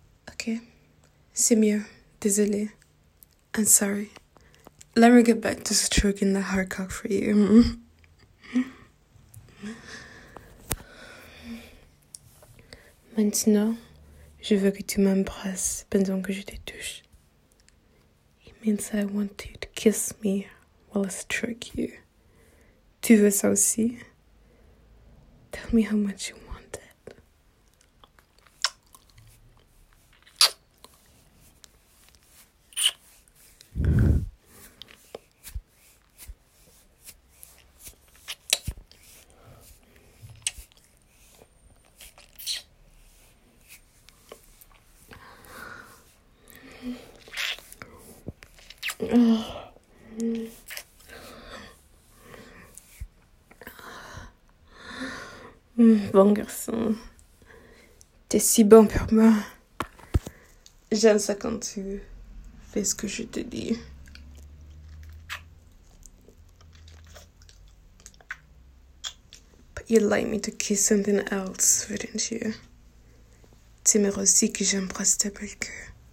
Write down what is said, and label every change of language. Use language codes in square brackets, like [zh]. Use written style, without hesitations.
[fr] Okay. C'est mieux. Désolée. [en] I'm sorry. Let me get back to stroking the hard cock for you. [fr] Maintenant, je veux que tu m'embrasses pendant que je te touche. [en] It means I want you to kiss me while I stroke you. [fr] Tu veux ça aussi? [en] Tell me how much you want. Oh. [fr] Bon garçon, t'es si bon pour moi. J'aime ça quand tu fais ce que je te dis. [en] But you'd like me to kiss something else, wouldn't you? [fr] Tu aimerais aussi que j'embrasse ta belle queue.